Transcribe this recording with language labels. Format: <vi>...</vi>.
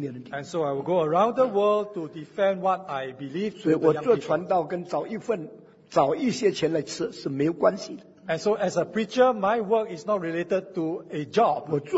<en>And so I will go around the world to defend what I believe to the young people.</en> <zh>找一些钱来吃是没有关系的。</zh> <en>And so as a preacher, my work is not related to a job.</en>